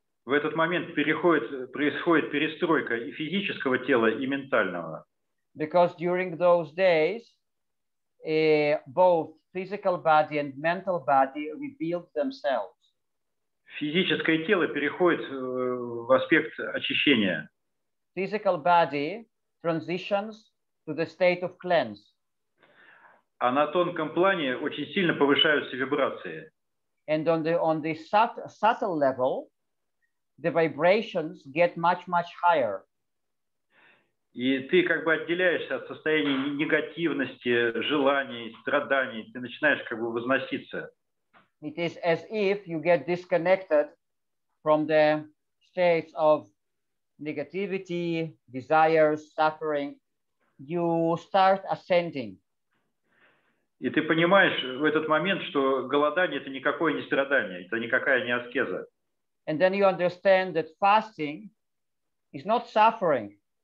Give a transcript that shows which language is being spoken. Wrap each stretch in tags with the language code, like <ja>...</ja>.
<ru>В этот момент происходит перестройка и физического тела, и ментального.</ru> <en>Because during those days, both physical body and mental body rebuild themselves.</en> <ru>Физическое тело переходит в аспект очищения.</ru> <en>Physical body transitions to the state of cleanse.</en> <ru>А на тонком плане очень сильно повышаются вибрации.</ru> <en>And on the subtle level, the vibrations get much, much higher.</en> <ru>И ты как бы отделяешься от состояния негативности, желаний, страданий, ты начинаешь как бы возноситься.</ru> <en>It is as if you get disconnected from the states of negativity, desires, suffering. You start ascending.</en> <ru>И ты понимаешь в этот момент, что голодание – это никакое не страдание, это никакая не аскеза.</ru> <en>And then you understand that fasting is not suffering.</en>